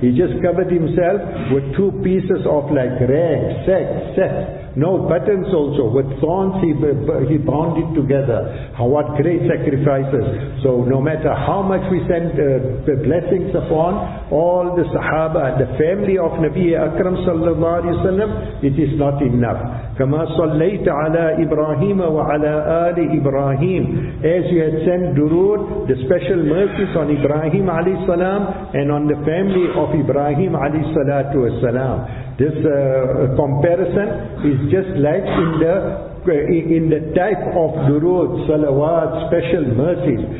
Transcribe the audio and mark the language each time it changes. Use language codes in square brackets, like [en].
[en] He just covered himself with two pieces of like rag, sack, no buttons also, with thorns he bound it together. What great sacrifices. So no matter how much we send the blessings upon all the Sahaba, the family of Nabi Akram sallallahu alayhi wa sallam, it is not enough. [ar] كما صليت على إبراهيم وعلى آل إبراهيم. [en] As you had sent durood, the special mercies on Ibrahim alayhi salam and on the family of Ibrahim alayhi salatu wa salam. This comparison is just like in the in the type of durood, salawat, special mercies.